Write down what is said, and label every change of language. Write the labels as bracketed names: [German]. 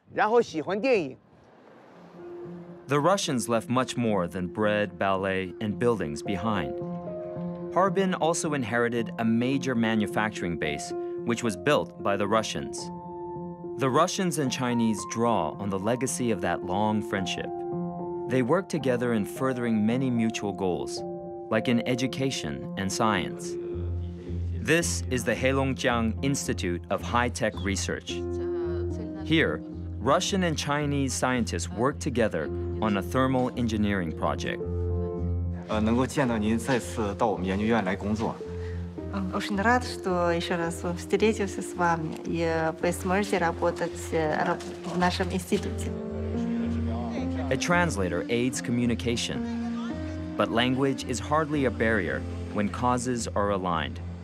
[Chinese] 我们哈尔滨的生活呢，跟中国的其他城市也不一样。它保留着这个欧洲人、俄罗斯人、日本人，还有外交的这种杂交的混血文化。所以我们呢，哈尔滨人是看芭蕾舞、听交响乐，然后喜欢电影。 [English] The Russians left much more than bread, ballet, and buildings behind. Harbin also inherited a major manufacturing base, which was built by the Russians. The Russians and Chinese draw on the legacy of that long friendship. They work together in furthering many mutual goals, like in education and science. This is the Heilongjiang Institute of High-Tech Research. Here, Russian and Chinese scientists work together on a thermal engineering project. [Chinese] 能够见到您再次到我们研究院来工作。 [Russian] Очень рад, что еще раз встретился с вами, и вы сможете работать в нашем институте. [English] A translator aids communication, but language is hardly a barrier when causes are aligned.